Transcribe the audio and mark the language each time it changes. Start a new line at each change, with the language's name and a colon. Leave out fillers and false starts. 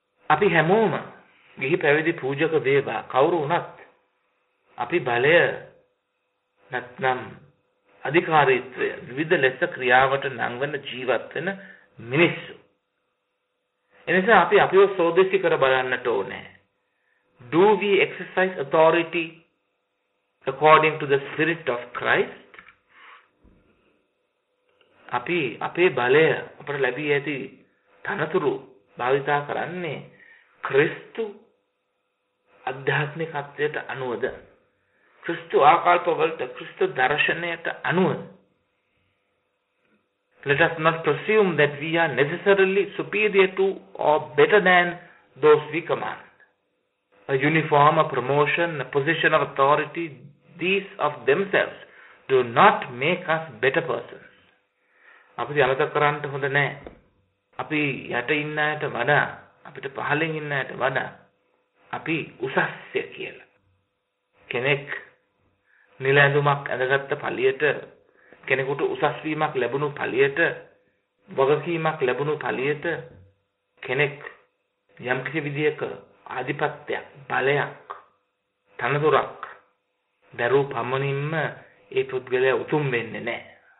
Sinhala: අපි හැමෝම ගිහි පැවිදි පූජක වේවා කවුරු වුණත් අපි බලය නැත්නම් අධිකාරීත්වය විවිධ ලෙස ක්‍රියාවට නංවන ජීවත් වෙන මිනිස්සු. එනිසා අපි අපිව සෝදිසි කර බලන්නට ඕනේ.
English: Do we exercise authority according to the spirit of Christ?
Sinhala: අපි අපේ බලය අපට ලැබී ඇති තනතුරු භාවිතා කරන්නේ ක්‍රිස්තු අධ්‍යාත්මිකත්වයට අනුවද, ක්‍රිස්තු ආකල්පවලට, ක්‍රිස්තු දර්ශනයට අනුව.
English: Let us not presume that we are necessarily superior to or better than those we command. A uniform, a promotion, a position of authority, these of themselves do not make us better persons.
Sinhala: අපිට අමතක කරන්න හොඳ නැහැ. අපි යට ඉන්න ඇයට වඩා, අපිට පහලින් ඉන්න ඇයට වඩා අපි උසස්ය කියලා. කෙනෙක් නිල ඇඳුමක් ඇඳගත්ත පළියට, කෙනෙකුට උසස් වීමක් ලැබුණු පළියට, වගකීමක් ලැබුණු පළියට කෙනෙක් යම් කිසි විදියක ආධිපත්‍යයක්, බලයක්, තනතුරක් දරූ පමණින්ම ඒ පුද්ගලයා උතුම් වෙන්නේ නැහැ.